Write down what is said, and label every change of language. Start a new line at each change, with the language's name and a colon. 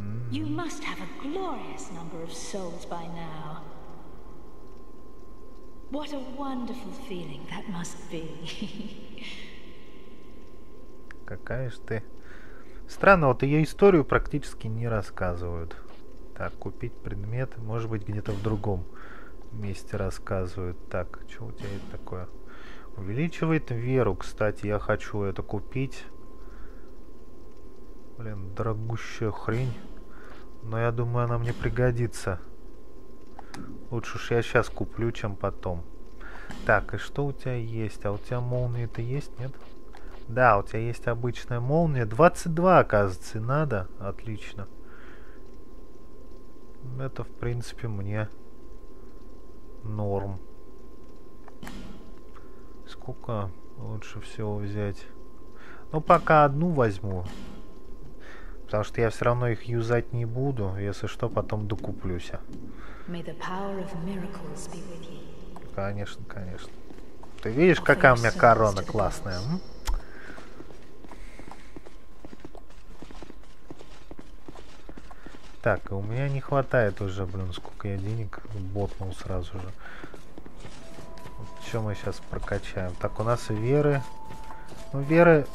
English: You must have a glorious number of souls by now. What a wonderful feeling that must be.
Russian: Какая ж ты. Странно, вот ее историю практически не рассказывают. Так, купить предмет. Может быть, где-то в другом месте рассказывают. Так, что у тебя это такое? Увеличивает веру. Кстати, я хочу это купить. Блин, дорогущая хрень. Но я думаю, она мне пригодится. Лучше уж я сейчас куплю, чем потом. Так, и что у тебя есть? А у тебя молнии-то есть, нет? Да, у тебя есть обычная молния. 22, оказывается, надо. Отлично. Это, в принципе, мне норм. Сколько лучше всего взять? Ну, пока одну возьму. Потому что я все равно их юзать не буду. Если что, потом докуплюсь.
English: May the power of miracles be with you.
Russian: Конечно, конечно. Ты видишь, какая у меня корона классная? Так, у меня не хватает уже, блин, сколько я денег ботнул сразу же. Что мы сейчас прокачаем? Так, у нас веры. Ну, веры...